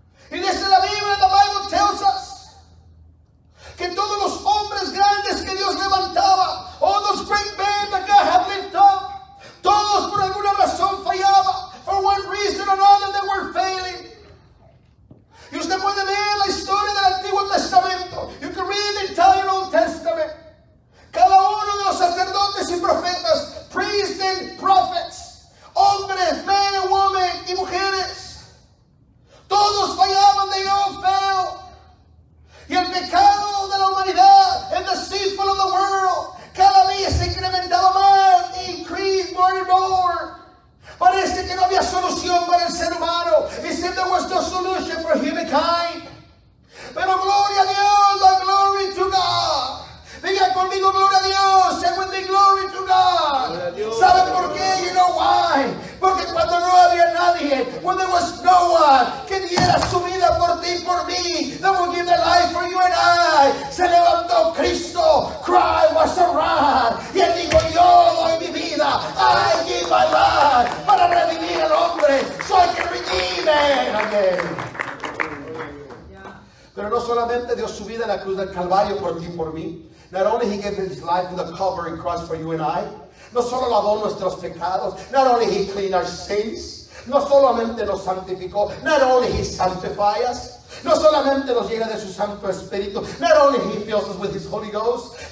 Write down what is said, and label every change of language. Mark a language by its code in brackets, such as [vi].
[es] Y dice la Biblia, [en] the Bible tells us, [es] que todos los hombres grandes que Dios levantaba, [en] all those great men that God had lifted up, [es] todos por alguna razón fallaban, [en] for one reason or another they were failing. [es] Y usted puede leer la historia del Antiguo Testamento. [en] You can read the entire Old Testament. [es] Cada uno de los sacerdotes y profetas, [en] priests and prophets, [es] hombres, [en] men and women, [es] y mujeres, todos fallaban, [en] they all fell. [es] Y el pecado de la humanidad, [en] and the sinful of the world, [es] cada día se incrementaba más, [en] increased more and more. [es] Parece que no había solución para el ser humano. [en] He said there was no solution for humankind. [es] Pero gloria a Dios, [en] the glory to God. [es] Diga conmigo, gloria a Dios, [en] say with me, glory to God. [es] ¿Sabe por qué? [en] You know why? [es] Porque cuando no había nadie, [en] when there was no one [es] que diera su vida por ti y por mí, [en] that would give their life for you and I, [es] se levantó Cristo, [en] cry was a run, [es] y él dijo, yo doy mi vida, [en] I give my life, [es] para redimir al hombre, [en] so I can redeem it again. [es] Pero no solamente dio su vida en la cruz del Calvario por ti y por mí. [en] Not only he gave his life in the covering cross for you and I. [es] No solo lavó nuestros pecados. [en] Not only he cleaned our sins. [es] No solamente nos santificó. [en] Not only he sanctifies us. [es] No solamente nos llena de su Santo Espíritu. [en] Not only he fills us with his Holy Ghost.